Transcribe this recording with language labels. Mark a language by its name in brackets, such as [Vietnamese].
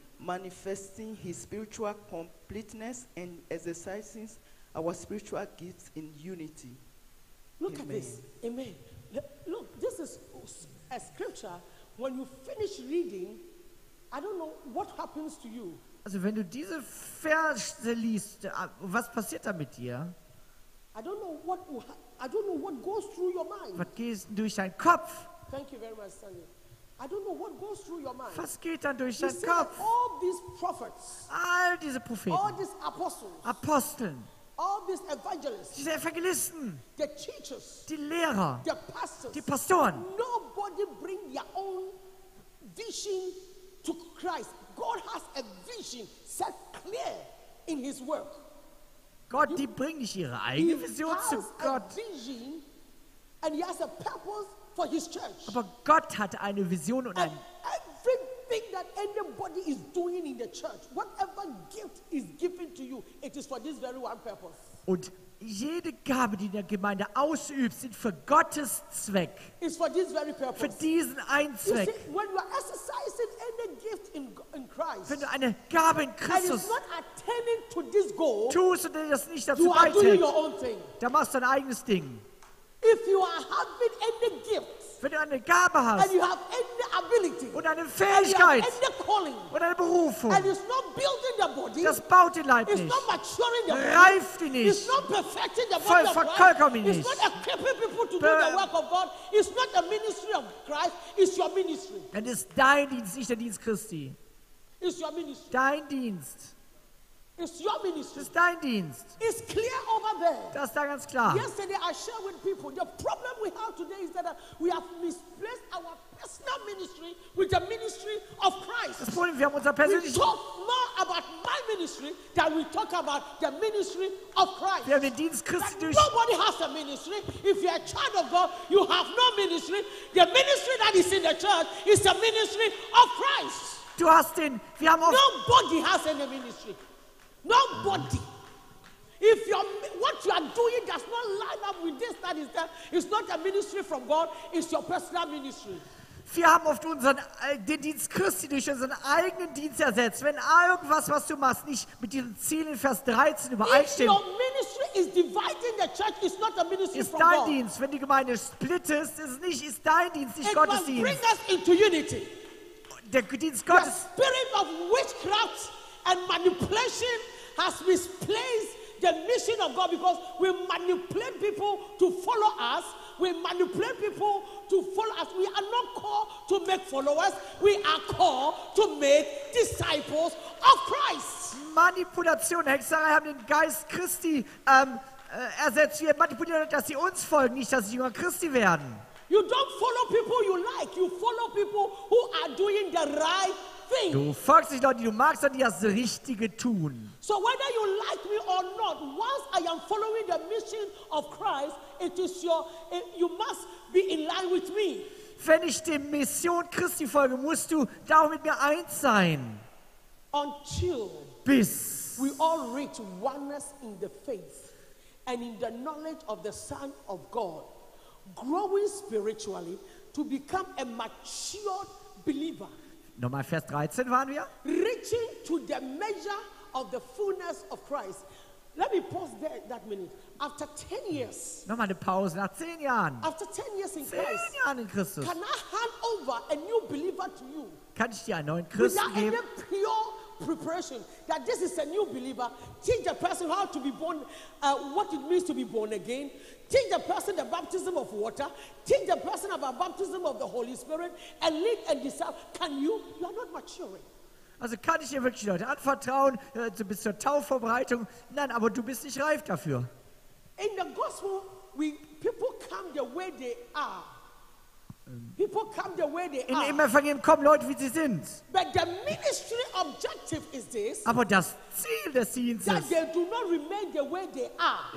[English] manifesting his spiritual completeness and exercising our spiritual gifts in unity. Look Amen. At this. Amen. Look, this is a scripture. When you finish reading, I don't know what happens to you. [German] Also, wenn du diese Verse liest, was passiert da mit dir? [English] I don't know what goes through your mind. [German] Was geht durch deinen Kopf? [English] Thank you very much, Sandy. I don't know what goes through your mind. [German] Was geht dann durch [English] you [German] deinen Kopf? [English] All these prophets. [German] All diese Propheten. [English] All these apostles. [German] Aposteln. [English] All these evangelists, [German] diese Evangelisten, [English] the teachers, [German] die Lehrer, [English] the pastors, [German] die Pastoren. [English] Nobody bring their own vision to Christ. God has a vision set clear in his work. [German] Gott, die bringen nicht ihre eigene Vision zu Gott. [English] He has a vision and he has a purpose for his church. [German] Aber Gott hat eine Vision und ein [English] thing that anybody is doing in the church, whatever gift is given to you, it is for this very one purpose. [German] Und jede Gabe, die in der Gemeinde ausübt, sind für Gottes Zweck. [English] It's for this very purpose. [German] Für diesen einen Zweck. [English] You see, when you are exercising any gift in Christ, [German] wenn du eine Gabe in Christus, [English] and it's not attaining to this goal, [German] tust du das nicht dazu [English] you are [German] beiträgt, [English] doing your own thing. [German] Da machst du dein eigenes Ding. [English] If you are having any gift, [German] wenn du eine Gabe hast, [English] and you have any ability. [German] Und eine Fähigkeit. [English] And your calling. [German] Und eine Berufung. [English] And it's not building the body. [German] Das baut den Leib nicht. [English] It's not maturing the body. [German] Reift ihn nicht. [English] It's not perfecting the body of Christ. It's not equipping people to do the work of God. It's not the ministry of Christ. It's your ministry. [German] Dann ist dein Dienst nicht der Dienst Christi. [English] It's your ministry. [German] Dein Dienst. [English] It's your ministry. [German] Ist dein Dienst. [English] It's clear over there. [German] Das ist da ganz klar. [English] Yesterday I shared with people the problem we have today is that we have misplaced our personal ministry with the ministry of Christ. [German] Das Problem, wir haben unser persönliches. [English] We talk more about my ministry than we talk about the ministry of Christ. [German] Wir haben den Dienst Christi durch. [English] Nobody has a ministry. If you're a child of God, you have no ministry. The ministry that is in the church is the ministry of Christ. [German] Du hast den. Wir haben auch. [English] Nobody has any ministry. Nobody. If your what you are doing does not line up with this, that is that. It's not a ministry from God. It's your personal ministry. [German] Wir haben oft unseren den Dienst Christi durch unseren eigenen Dienst ersetzt. Wenn irgendwas, was du machst, nicht mit diesen Zielen Vers 13 übereinstimmt. [English] If your ministry is dividing the church, it's not a ministry from God. [German] Ist dein Dienst, wenn die Gemeinde splittest, ist nicht ist dein Dienst, nicht Gottes Dienst. [English] It must bring us into unity. [German] Der Dienst Gottes. [English] The spirit of witchcraft. And manipulation has misplaced the mission of God because we manipulate people to follow us. We manipulate people to follow us. We are not called to make followers. We are called to make disciples of Christ. [German] Manipulation, Hexerei haben den Geist Christi ersetzt. Wir manipulieren, dass sie uns folgen, nicht, dass sie Jünger Christi werden. [English] You don't follow people you like. You follow people who are doing the right thing. [German] Du folgst nicht Leute, die du magst, sondern die das Richtige tun. [English] So whether you like me or not, once I am following the mission of Christ, it is your, you must be in line with me. [German] Wenn ich der Mission Christi folge, musst du darum mit mir eins sein. [English] Until [German] bis [English] we all reach oneness in the faith and in the knowledge of the Son of God, growing spiritually to become a matured believer. [German] Nochmal Vers 13 waren wir. [English] Reaching to the measure of the fullness of Christ. Let me pause there that minute. After 10 years. [German] Nochmal eine Pause nach 10 Jahren. [English] After 10 years in Christ. [German] 10 Jahren in Christus. [English] Can I hand over a new believer to you? [German] Kann ich dir einen neuen Christen geben? [English] Without any pure preparation, that this is a new believer. Teach the person how to be born, what it means to be born again. Teach the person the baptism of water. Teach the person about baptism of the Holy Spirit and lead and disciple. Can you? You are not maturing. [German] Also kann ich dir wirklich Leute anvertrauen bis zur Taufvorbereitung? Nein, aber du bist nicht reif dafür. [English] In the gospel, people come the way they are. People come the way they [German] Im Evangelium kommen Leute, wie sie sind. [English] But the ministry objective is this, [German] aber das Ziel des Dienstes [English] that they do not remain the way they are,